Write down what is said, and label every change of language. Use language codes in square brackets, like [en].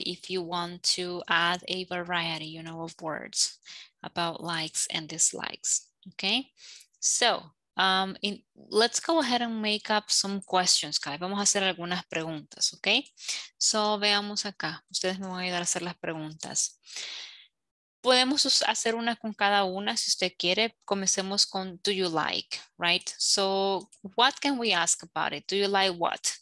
[en] If you want to add a variety, you know, of words about likes and dislikes, okay? So, let's go ahead and make up some questions, guys. [es] Vamos a hacer algunas preguntas, ok? So, veamos acá. Ustedes me van a ayudar a hacer las preguntas. Podemos hacer una con cada una si usted quiere. Comencemos con [en] do you like, right? So, what can we ask about it? Do you like what?